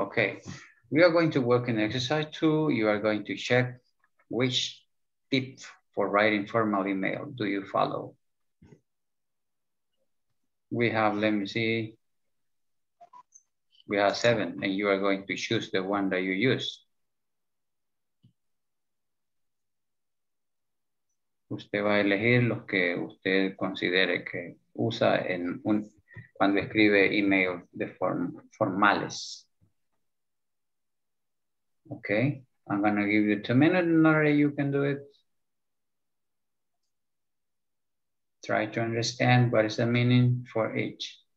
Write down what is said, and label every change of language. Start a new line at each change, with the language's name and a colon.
English: Okay, we are going to work in exercise 2. You are going to check which tip for writing formal email do you follow? We have, let me see, we have 7, and you are going to choose the one that you use.
Spanish: Usted va a elegir los que usted considere que usa en un cuando escribe email de formales.
English: Okay, I'm gonna give you 2 minutes, Nora, you can do it. Try to understand what is the meaning for each.